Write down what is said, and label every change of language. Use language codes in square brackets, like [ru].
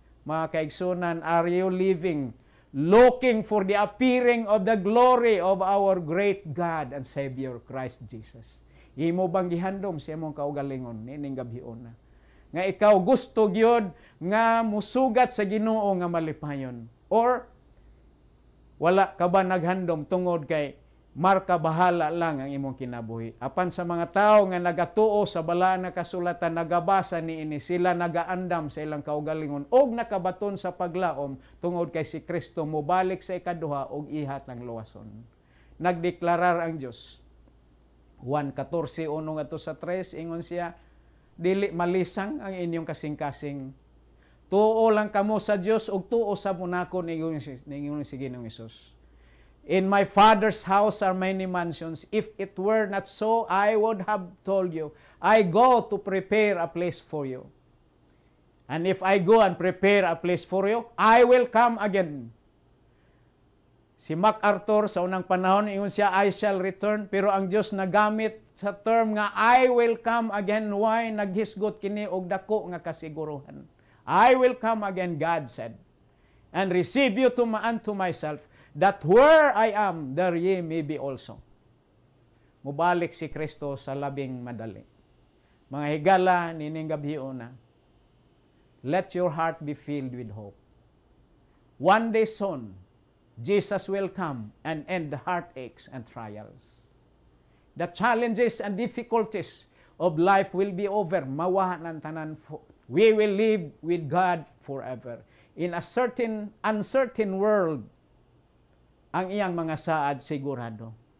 [ceb] Mga kaigsunan, [en] are you living, looking for the appearing of the glory of our great God and Savior Christ Jesus? [ceb] Imo bang gihandom sa imong kaugalingon nining gabhion na nga ikaw gusto gyud nga musugat sa Ginoo nga malipayon, or wala ka ba naghandom tungod kay marka bahala lang ang imong kinabuhi? Apan sa mga tao nga nagatuo sa balaan na kasulatan, nagabasa niini, sila nagaandam sa ilang kaugalingon og nakabaton sa paglaom tungod kay si Kristo mobalik sa ikaduha og ihat ng luwason. Nagdeklarar ang Dios 1:14-3, ingon siya, dili malisang ang inyong kasing-kasing. Tuo lang kamo sa Dios og tuo sa munako ningon si Ginoong Hesus. [en] In my Father's house are many mansions. If it were not so, I would have told you. I go to prepare a place for you. And if I go and prepare a place for you, I will come again. [ceb] Si MacArthur sa unang panahon, ingon siya, [en] I shall return. [ceb] Pero ang Diyos nagamit sa term nga, [en] I will come again. [ceb] Why? Naghisgot kini og dako nga kasiguruhan. [en] I will come again, God said, and receive you unto myself, that where I am, there ye may be also. [ceb] Mubalik si Kristo sa labing madali. Mga higala, nining gabhiuna, [en] let your heart be filled with hope. One day soon, Jesus will come and end the heartaches and trials. The challenges and difficulties of life will be over. [ceb] Mawahan ang tanan. [en] We will live with God forever. In a certain uncertain world, [ceb] ang iyang mga saad sigurado.